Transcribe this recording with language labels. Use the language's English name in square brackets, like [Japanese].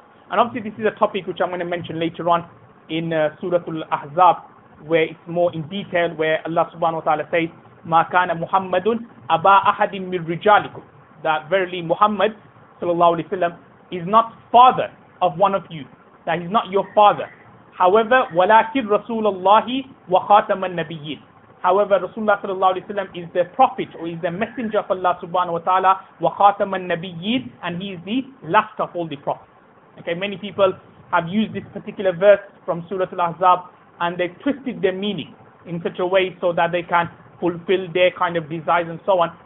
[English] And obviously this is a topic which I'm going to mention later on in Surah Al-Ahzab, where it's more in detail, where Allah subhanahu wa ta'ala says, [Arabic] مَا كَانَ مُحَمَّدٌ أَبَا أَحَدٍ مِنْ رِجَالِكُمْ, [English] that verily Muhammad sallallahu alayhi wa sallam is not father of one of you, that he's not your father. However, [Arabic] وَلَكِنْ رَسُولَ اللَّهِ وَخَاتَمَ النَّبِيِّينَ. [English] However, Rasulullah sallallahu alayhi wa sallam is the prophet or is the messenger of Allah subhanahu wa ta'ala, [Arabic] وَخَاتَمَ النَّبِيِّينَ, [English] and he is the last of all the prophets. Okay, many people have used this particular verse from Surah Al-Ahzab and they twisted their meaning in such a way so that they can fulfill their kind of desires and so on.